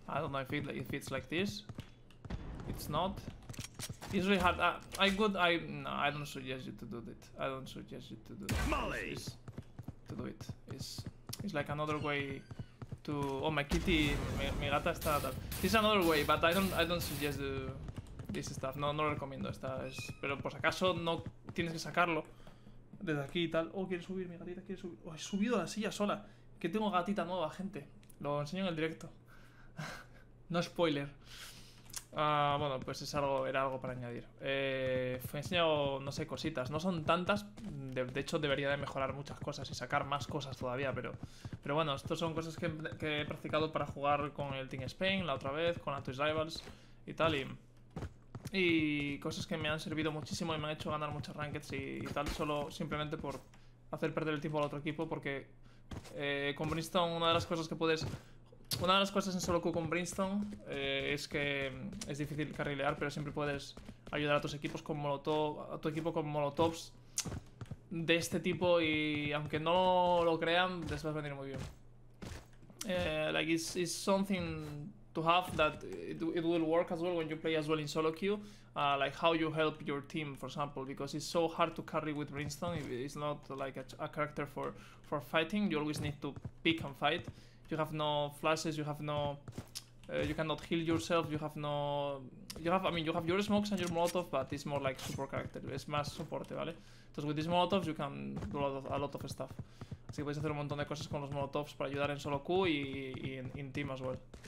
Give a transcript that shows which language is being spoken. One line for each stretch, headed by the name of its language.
English: I don't know if it's like this. It's not. It's really hard. I don't suggest you to do it. I don't suggest you to do it. Molly. To do it. It's like another way to. Oh, my kitty.
Spanish: Mi gata está.
English: This is another way, but I don't suggest this stuff.
Spanish: No recomiendo esta. Pero por si acaso no tienes que sacarlo. Desde aquí y tal. Oh, quiere subir, mi gatita quiere subir. Oh, he subido a la silla sola. Que tengo gatita nueva, gente. Lo enseño en el directo. No spoiler. Bueno, pues era algo para añadir. He enseñado, no sé, cositas. No son tantas. De hecho, debería de mejorar muchas cosas y sacar más cosas todavía. Pero bueno, estas son cosas que he practicado para jugar con el Team Spain la otra vez, con Atlas Rivals y tal. Y cosas que me han servido muchísimo y me han hecho ganar muchas rankeds y tal, solo simplemente por hacer perder el tiempo al otro equipo, porque con Brimstone una de las cosas en solo queue con Brimstone es que es difícil carrilear, pero siempre puedes ayudar a tus equipos con molotov, a tu equipo con molotovs de este tipo, y aunque no lo crean, les va a venir muy bien.
English: Like it's something to have that it will work as well when you play as well in solo queue, like how you help your team, for example, because it's so hard to carry with Brimstone. It's not like a character for fighting. You always need to pick and fight. You have no flashes. You have no. You cannot heal yourself. You have no. You have your smokes and your molotov, but it's more like support character. It's
Spanish: más soporte, vale. Entonces,
English: with these molotovs, you can do a lot of stuff.
Spanish: Así que puedes hacer un montón de cosas con los molotovs para ayudar en solo queue y
English: in team as well.